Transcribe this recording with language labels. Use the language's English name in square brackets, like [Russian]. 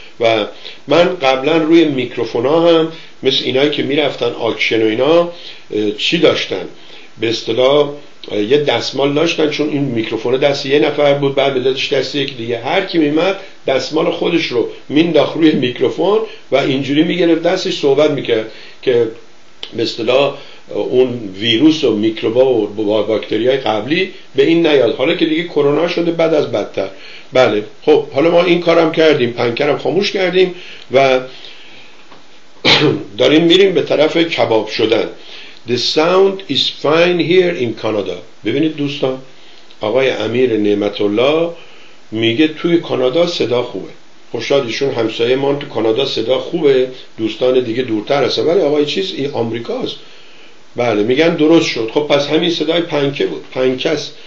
[Persian] و من قبلا روی میکروفونا هم مثل اینایی که میرفتن آکشن و اینا چی داشتن؟ به اصطلاح یه دستمال داشتن، چون این میکروفون دست یه نفر بود، بعد به دادش دست یک دیگه، هر کی میمد دستمال خودش رو مینداخت روی میکروفون و اینجوری میگرفت دستش صحبت میکرد، که به اصطلاح اون ویروس و میکروبا و باکتریای قبلی به این نیاد. حالا که دیگه کرونا شده بعد از بدتر. بله خب، حالا ما این کارم کردیم، پنکرم خاموش کردیم و داریم میریم به طرف کباب شدن. [English] The sound is fine here in Canada. [Persian] ببینید دوستان، آقای امیر نعمت الله میگه توی کانادا صدا خوبه. خوشحال، ایشون همسایه من تو کانادا صدا خوبه، دوستان دیگه دورتر هست، ولی آقای چیز این آمریکاست. بله، میگن درست شد. خب پس همین صدای پنکه بود. پنکه است.